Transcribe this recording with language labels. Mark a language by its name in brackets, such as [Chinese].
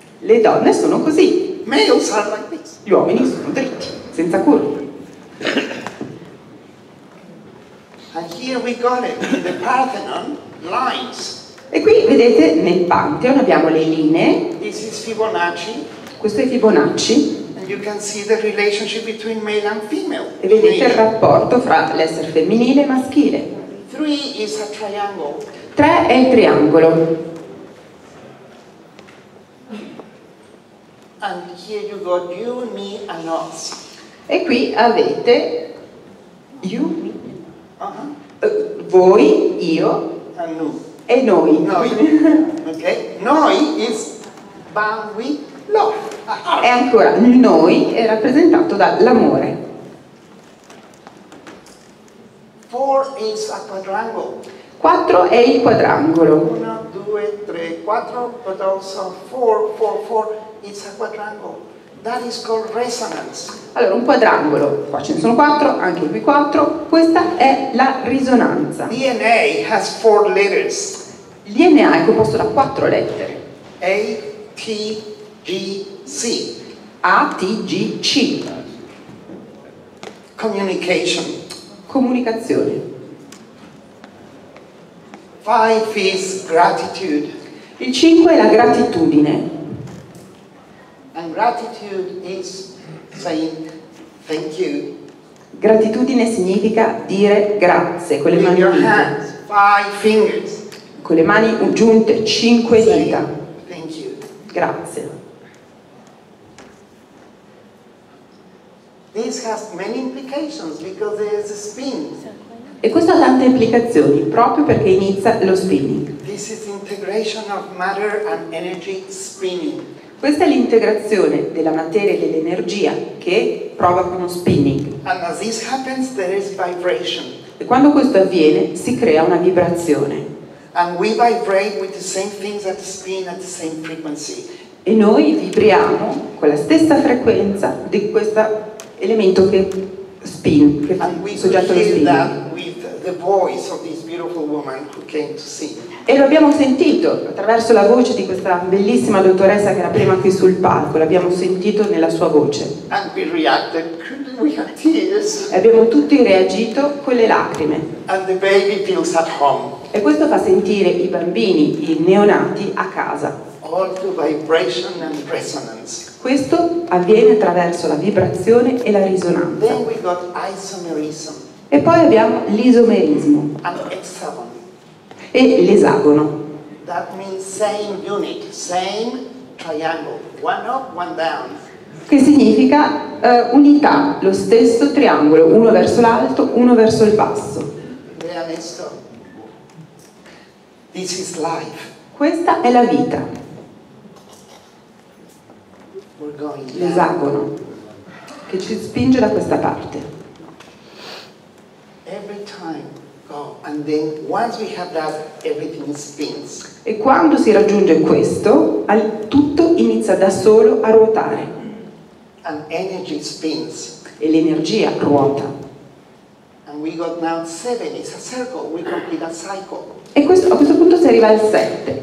[Italian] Le donne sono così. [English] Males are like this. [Italian] Gli uomini sono dritti, senza curve. [English] And here we got it, the Parthenon lines. [Italian] E qui vedete nel Pantheon abbiamo le linee. [English] This is Fibonacci. [Italian] Questo è Fibonacci. [English] And you can see the relationship between male and female. [Italian] E vedete male. Il rapporto fra l'essere femminile e maschile. [English] Three is a triangle. [Italian] Tre è il triangolo. [English] And here you got you, me and us. [Italian] E qui avete [English] you, me. [Italian] Voi, io [English] and [Italian] noi. E noi. [English] Noi. Okay. Noi is ban we love. [Italian] E ancora noi è rappresentato dall'amore. [English] Four is a quadrangle. [Italian] Quattro è il quadrangolo. Uno, due, tre, quattro, [English] but also four is a quadrangle. That is called resonance. [Italian] Allora, un quadrangolo, qua ce ne sono quattro, anche qui quattro, questa è la risonanza. [English] DNA has four letters. [Italian] DNA è composto da quattro lettere. [English] A, T, G, C. [Italian] A, T, G, C. [English] Communication. [Italian] Comunicazione. [English] Five is gratitude. [Italian] Il cinque è la gratitudine. [English] And gratitude is saying thank you. [Italian] Gratitudine significa dire grazie con le [English] with [Italian] mani [English] your hands, five fingers. [Italian] Con le mani giunte cinque [English] say [Italian] dita. [English] Thank you. [Italian] Grazie. [English] This has many implications because there is a spin. [Italian] E questo ha tante implicazioni proprio perché inizia lo spinning. [English] This is integration of matter and energy spinning. [Italian] Questa è l'integrazione della materia e dell'energia che provoca uno spinning. [English] And as this happens, there is vibration. [Italian] E quando questo avviene, si crea una vibrazione. [English] And we vibrate with the same things that spin at the same frequency. [Italian] E noi vibriamo con la stessa frequenza di questo elemento che spin, che [English] and [Italian] fa il soggetto lo spin. [English] With the voice of this beautiful woman who came to sing. [Italian] E lo abbiamo sentito attraverso la voce di questa bellissima dottoressa che era prima qui sul palco, l'abbiamo sentito nella sua voce. [English] And we reacted. We had tears. [Italian] E abbiamo tutti reagito con le lacrime. [English] And the baby feels at home. [Italian] E questo fa sentire i bambini, i neonati, a casa. [English] All the vibration and resonance. [Italian] Questo avviene attraverso la vibrazione e la risonanza. [English] Then we got isomerism. [Italian] E poi abbiamo l'isomerismo. [English] And hexagon. [Italian] E l'esagono. [English] That means same unit, same triangle, one up, one down. [Italian] Che significa unità, lo stesso triangolo, uno verso l'alto, uno verso il basso. [English] This is life. [Italian] Questa è la vita. [English] We're going down. [Italian] L'esagono che ci spinge da questa parte. [English] Every time. Oh, and then once we have that, everything spins. [Italian] E quando si raggiunge questo, tutto inizia da solo a ruotare. [English] And energy spins. [Italian] E l'energia ruota. [English] And we got now seven. It's a circle. We complete a cycle. [Italian] E questo, a questo punto si arriva al 7.